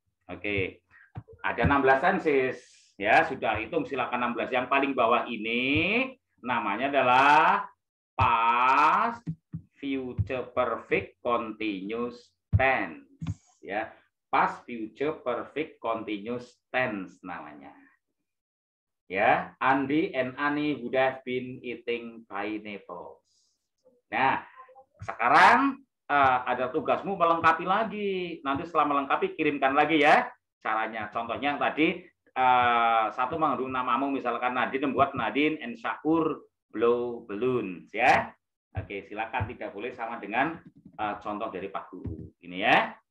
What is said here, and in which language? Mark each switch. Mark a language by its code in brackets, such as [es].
[id] Oke, okay. Ada 16 tenses ya, sudah hitung silakan 16. Yang paling bawah ini namanya adalah past, future perfect, continuous tense ya. Past, future perfect, continuous tense namanya. [en] Ya, Andy and Annie would have been eating pineapples. [id] Nah, sekarang ada tugasmu melengkapi lagi. Nanti setelah melengkapi kirimkan lagi ya. Caranya, contohnya yang tadi satu mengandung namamu misalkan Nadine, membuat [en] Nadine and Syakur blow balloons [id] ya. Oke, silakan tidak boleh sama dengan contoh dari Pak Guru ini ya.